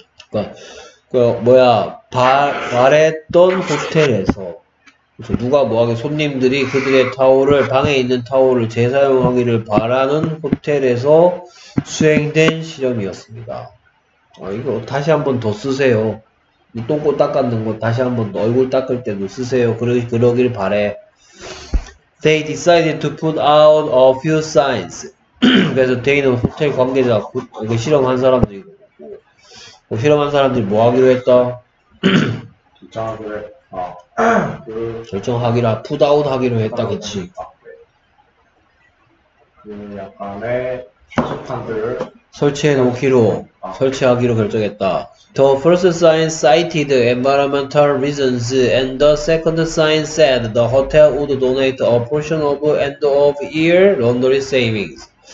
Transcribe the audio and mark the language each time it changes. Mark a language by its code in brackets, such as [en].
[ko] 그러니까 뭐야 바랬던 호텔에서 그래서 누가 뭐 하기 손님들이 그들의 타올을 방에 있는 타올을 재사용하기를 바라는 호텔에서 수행된 실험이었습니다. 아 이거 다시 한번 더 쓰세요. 똥꼬 닦았는 거 다시 한번 얼굴 닦을 때도 쓰세요. 그러길 바래. [en] They decided to put out a few signs. [ko] 그래서 데이는 호텔 관계자, 그 실험한 사람들이고. 그 실험한 사람들이 뭐 하기로 했다? 결정하기로 했다. 결정하기로, [en] put out [ko] 하기로 했다. 그치. 그 약간의 표지판들을 설치해 놓기로, 설치하기로 결정했다. [en] The first sign cited environmental reasons and the second sign said the hotel would donate a portion of end of year laundry savings.